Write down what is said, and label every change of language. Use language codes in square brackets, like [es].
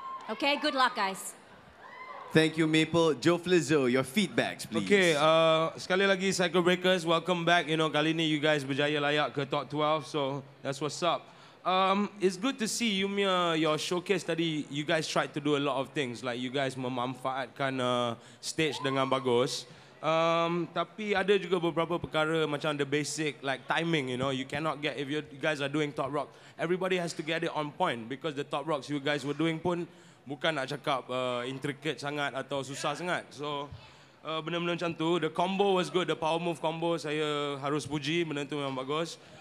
[en] Okay, good luck, guys. Thank you, Maple. Joe Flizzo, your feedbacks, please. Okay, [ms] sekali lagi, [en] Psycho Breakers, welcome back. You know, [ms] kali ni [en] you guys [ms] berjaya layak ke [en] top 12, so that's what's up. It's good to see you, your showcase tadi, you guys tried to do a lot of things. Like, you guys [ms] memanfaatkan [en] stage [ms] dengan bagus. Tapi ada juga beberapa perkara macam [en] the basic, like timing, you know. You cannot get, if you guys are doing top rock, everybody has to get it on point. Because the top rocks you guys were doing [ms] pun bukan nak cakap intricate sangat atau susah sangat. So, benar-benar macam tu. [en] The combo was good, the power move combo [ms] saya harus puji, benda tu memang bagus.